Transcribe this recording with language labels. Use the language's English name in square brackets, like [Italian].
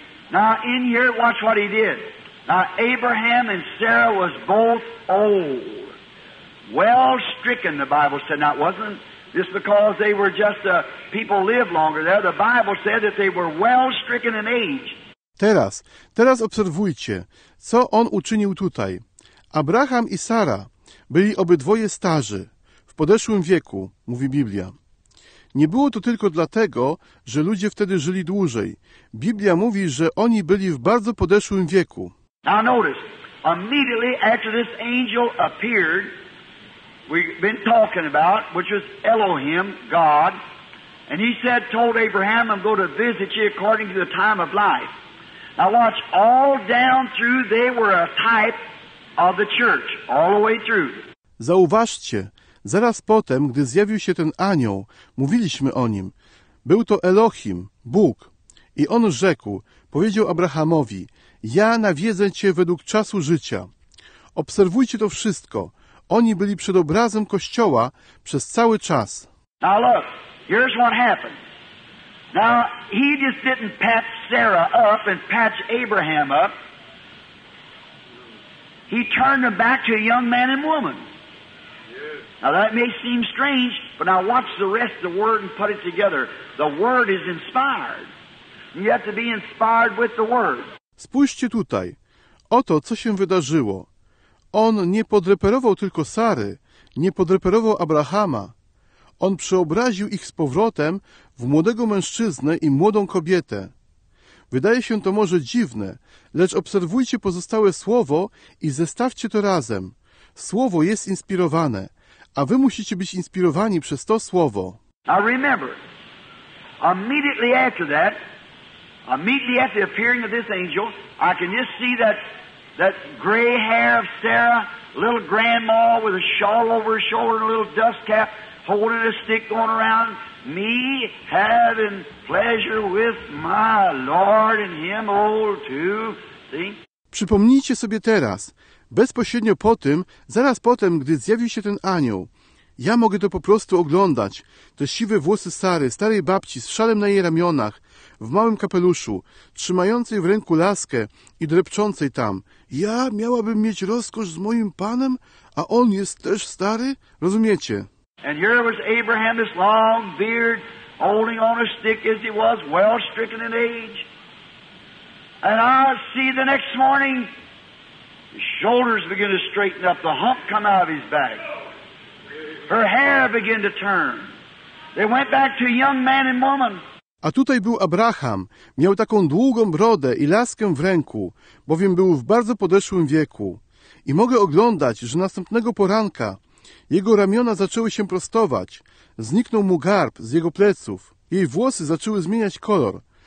[English] Now in here, watch what he did. Now, Abraham and Sarah was both old. Well stricken, the Bible said. Now, it wasn't just because they were just people lived longer there. The Bible said that they were well stricken in age. [Polish] Teraz obserwujcie, co on uczynił tutaj. Abraham i Sara byli obydwoje starzy, w podeszłym wieku, mówi Biblia. Nie było to tylko dlatego, że ludzie wtedy żyli dłużej. Biblia mówi, że oni byli w bardzo podeszłym wieku. [English] Now notice, immediately after this angel appeared, we've been talking about, which was Elohim, God, and he said, told Abraham, "I'm going to visit you according to the time of life." Now watch, all down through they were a type of the church, all the way through. [Polish] Zauważcie, zaraz potem, gdy zjawił się ten anioł, mówiliśmy o nim. Był to Elohim, Bóg. I on rzekł, powiedział Abrahamowi, ja nawiedzę cię według czasu życia. Obserwujcie to wszystko. Oni byli przed obrazem Kościoła przez cały czas. [English] Now look, here's what happened. Now, he just didn't patch Sarah up and patch Abraham up. He turned them back to a young man and woman. Yes. Now, that may seem strange, but now watch the rest of the Word and put it together. The Word is inspired. You have to be inspired with the Word. [Polish] Spójrzcie tutaj. Oto, co się wydarzyło. On nie podreperował tylko Sary, nie podreperował Abrahama. On przeobraził ich z powrotem w młodego mężczyznę i młodą kobietę. Wydaje się to może dziwne, lecz obserwujcie pozostałe słowo i zestawcie to razem. Słowo jest inspirowane, a wy musicie być inspirowani przez to słowo. [English] Now remember, immediately after that, immediately after the appearing of this angel, I can just see that gray hair of Sarah, little grandma with a shawl over her shoulder and a little dust cap, holding a stick going around, me having pleasure with my Lord and him old too. See? [Polish] Przypomnijcie sobie teraz, bezpośrednio po tym, zaraz potem, gdy zjawił się ten anioł, ja mogę to po prostu oglądać, te siwe włosy Sary, starej babci z szalem na jej ramionach, w małym kapeluszu, trzymającej w ręku laskę i drepczącej tam. Ja miałabym mieć rozkosz z moim panem, a on jest też stary? Rozumiecie? [English] And here was Abraham, this long beard, holding on a stick as he was, well stricken in age. And I see the next morning, his shoulders begin to straighten up, the hump come out of his back. Her hair began to turn. They went back to a young man and woman. [Polish] A tutaj był Abraham, miał taką długą brodę i laskę w ręku, bowiem był w bardzo podeszłym wieku. I mogę oglądać, że następnego poranka jego ramiona zaczęły się prostować. Zniknął mu garb z jego pleców. Jej włosy zaczęły zmieniać kolor.